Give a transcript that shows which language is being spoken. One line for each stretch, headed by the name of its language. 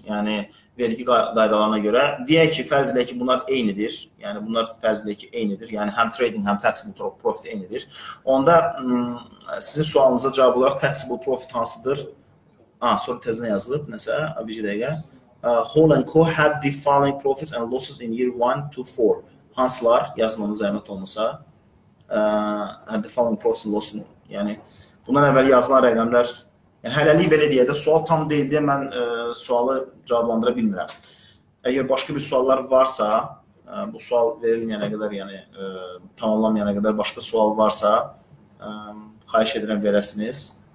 Azerbaijani: Yəni, vergi qaydalarına görə. Deyək ki, fərz edək ki, bunlar eynidir. Yəni, bunlar fərz edək ki, eynidir. Yəni, həm trading, həm taxable profit eynidir. Onda sizin sualınıza cavab olaraq taxable profit hansıdır? Sonra tezinə yazılıb, nəsə, bir dəqiqə.
English: Whole and Co. had the following profits and losses in year 1 to 4.
Azerbaijani: Hansılar, yazılmanın zəhmət olmasa,
English: had the following profits and losses.
Azerbaijani: Yəni, bundan əvvəl yazılan rəqəmlər, yəni hələlik belə deyə də sual tam deyil deyə mən sualı cavablandıra bilmirəm. Əgər başqa bir suallar varsa, bu sual verilməyənə qədər, yəni tamamlanmayana qədər başqa sual varsa, xahiş edirəm verəsiniz.